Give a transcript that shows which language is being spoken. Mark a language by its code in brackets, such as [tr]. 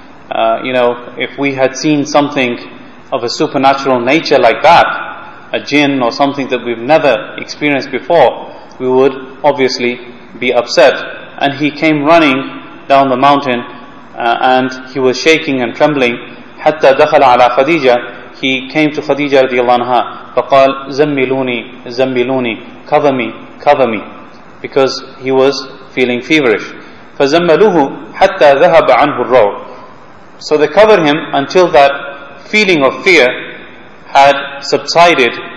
[en] If we had seen something of a supernatural nature like that, a jinn or something that we've never experienced before, we would obviously be upset. And he came running down the mountain, and he was shaking and trembling. [ar] حَتَّى دَخَلَ عَلَىٰ خَدِيجَةَ [en] He came to Khadija [ar] رضي الله عنها. فَقَالْ زَمِّلُونِي زَمِّلُونِي [en] Cover me, cover me. Because he was feeling feverish. [ar] فَزَمَّلُوهُ حَتَّى ذَهَبَ عَنْهُ الرَّوْءُ [en] So they covered him until that feeling of fear had subsided.